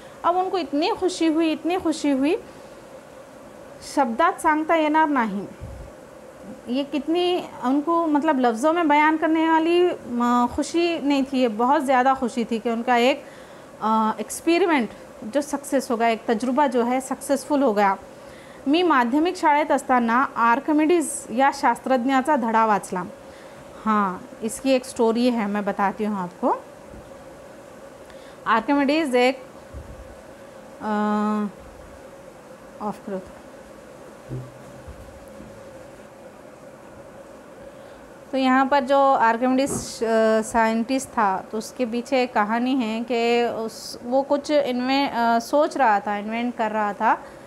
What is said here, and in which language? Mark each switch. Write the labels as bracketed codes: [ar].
[hi] अब उनको इतनी खुशी हुई, इतनी खुशी हुई, [mr] शब्दात सांगता येणार नाही। [hi] ये कितनी उनको मतलब लफ्ज़ों में बयान करने वाली खुशी नहीं थी, ये बहुत ज़्यादा खुशी थी कि उनका एक एक्सपेरिमेंट जो सक्सेस हो गया, एक तजुर्बा जो है सक्सेसफुल हो गया। [mr] मी माध्यमिक शाळेत असताना आर्कमिडीज या शास्त्रज्ञाचा धडा वाचला। [hi] हाँ, इसकी एक स्टोरी है, मैं बताती हूँ आपको। आर्कमिडीज एक ऑफ करो तो यहाँ पर जो आर्कमिडीज साइंटिस्ट था तो उसके पीछे एक कहानी है कि वो कुछ सोच रहा था, इन्वेंट कर रहा था,